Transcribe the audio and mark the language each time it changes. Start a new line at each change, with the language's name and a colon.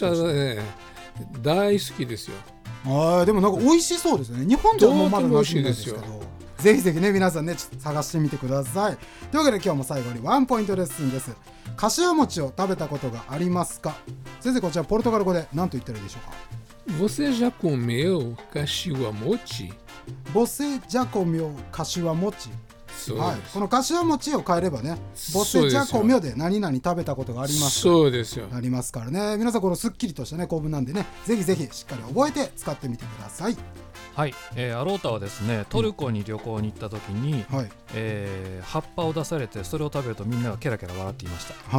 Japanese: として私は、大好きですよ。あ、でもなんか美味しそうですね。日本じゃあんまり美味しいですけど、ぜひぜひね、皆さんね、ちょっと探してみてください。というわけで今日も最後にワンポイントレッスンです。柏餅を食べたことがありますか？先生、こちらポルトガル語で何と言ったらいいでしょうか？
Portuguese: Você já comeu caxiwamochi? Você já comeu caxiwamochi?
Japanese: そうです。はい、この caxiwamochi を変えればね、
Portuguese: Você já comeu
Japanese: で何々食べたことがありますか？そうですよ。ありますからね。皆さん、このすっきりとしたね、構文なんでね、ぜひぜひしっかり覚えて使ってみてください。はい、アロータはですね、トルコに旅行に行った時に、葉っぱを出されてそれを食べるとみんながケラケラ笑っていました。